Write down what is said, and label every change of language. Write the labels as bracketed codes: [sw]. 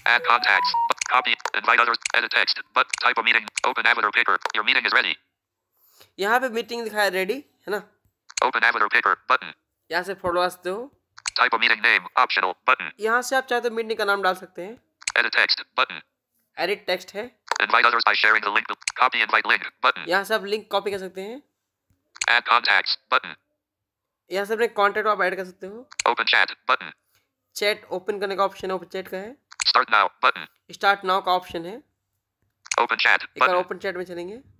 [en] Add contacts. Copy. Invite others. Edit text. But type a meeting. Open avatar paper. Your meeting is ready. [hi] यहाँ पे meeting दिखाया ready, है ना. [en] Open avatar paper. Button. [hi] यहाँ से photo आ सकते हो. [en] Type a meeting name. Optional. Button. [hi] यहाँ से आप चाहे तो मीटिंग का नाम डाल सकते हैं. [en] Edit text button. [hi] Edit text है. [en] invite others by sharing the link. Copy invite link button. [hi] यहाँ से आप लिंक कॉपी कर सकते हैं. [en] Add contacts button. [hi] यहाँ से अपने कॉन्टेक्ट आप ऐड कर सकते हो. [en] Open chat button. [hi] Chat open करने का ऑप्शन है. ओपन चैट का है. [en] Start now button. [hi] Start now का ऑप्शन है. [en] Open chat button. [hi] एक बार ओपन चैट में चलेंगे.